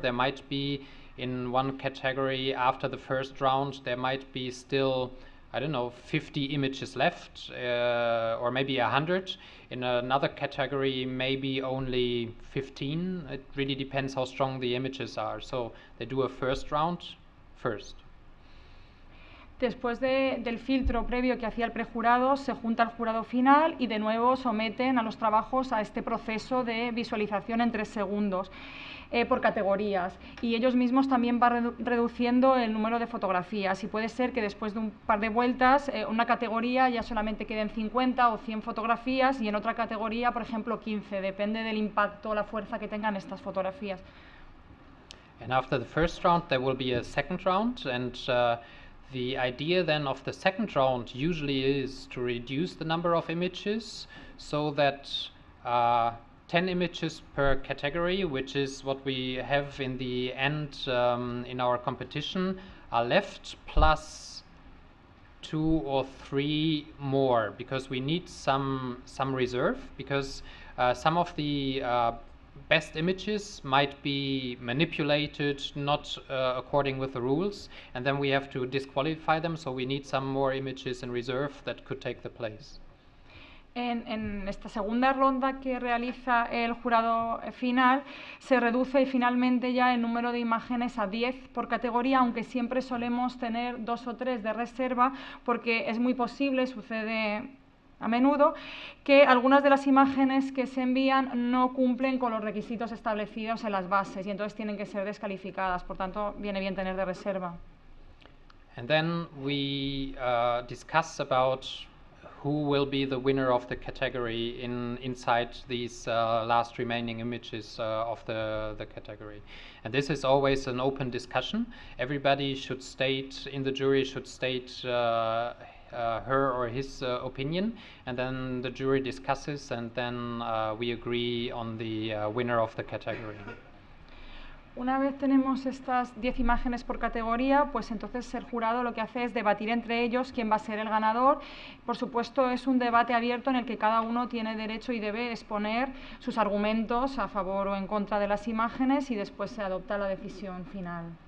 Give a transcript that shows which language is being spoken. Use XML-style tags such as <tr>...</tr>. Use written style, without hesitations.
<en>There might be in one category after the first round, there might be still, I don't know, 50 images left, or maybe 100. In another category, maybe only 15. It really depends how strong the images are. So they do a first round first.</en> <es>Después del filtro previo que hacía el prejurado, se junta el jurado final y de nuevo someten a los trabajos a este proceso de visualización en 3 segundos por categorías. Y ellos mismos también van reduciendo el número de fotografías. Y puede ser que después de un par de vueltas, una categoría ya solamente queden 50 o 100 fotografías y en otra categoría, por ejemplo, 15. Depende del impacto o la fuerza que tengan estas fotografías.</es> <en>And after the first round, there will be a second round. The idea then of the second round usually is to reduce the number of images so that 10 images per category, which is what we have in the end in our competition, are left plus 2 or 3 more, because we need some reserve, because some of the best images might be manipulated, not according with the rules, and then we have to disqualify them, so we need some more images in reserve that could take the place.</en> <es>En esta segunda ronda que realiza el jurado final, se reduce finalmente ya el número de imágenes a 10 por categoría, aunque siempre solemos tener dos o tres de reserva, porque es muy posible, sucede a menudo, que algunas de las imágenes que se envían no cumplen con los requisitos establecidos en las bases y entonces tienen que ser descalificadas. Por tanto, viene bien tener de reserva.</es> <en>And then we discuss about who will be the winner of the category inside these last remaining images of the category. And this is always an open discussion. Everybody should state, in the jury should state her or his opinion, and then the jury discusses, and then we agree on the winner of the category.</en> <es>Una vez tenemos estas 10 imágenes por categoría, pues entonces el jurado lo que hace es debatir entre ellos quién va a ser el ganador. Por supuesto, es un debate abierto en el que cada uno tiene derecho y debe exponer sus argumentos a favor o en contra de las imágenes, y después se adopta la decisión final.</es>